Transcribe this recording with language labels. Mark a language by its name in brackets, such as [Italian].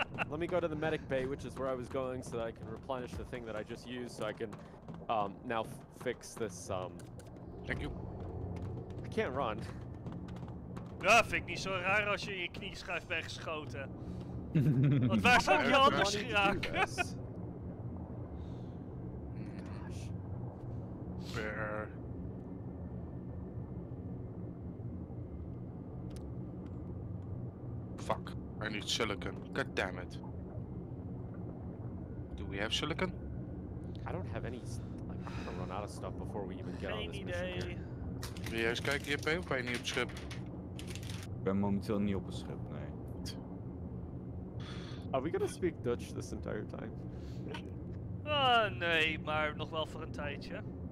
[English] Let me go to the medic bay, which is where I was going, so that I can replenish the thing that I just used, so I can now fix this, Thank you. I can't run. [Dutch] Ja, vind ik niet zo raar als je in je knieschijf bent geschoten. Want waar zou je anders geraken? [English] Gosh. Bear. Fuck. I need silicon. God damn it. Do we have silicon? I don't have any. I'm gonna run out of stuff before we even get [Dutch] geen [English] on this [Dutch] idee. [English] Mission. [Dutch] Wil jij eens kijken, JP, of ben je niet op schip? Ik ben momenteel niet op een schip, nee. [English] Are we gonna speak Dutch this entire time? [Dutch] nee, maar nog wel voor een tijdje.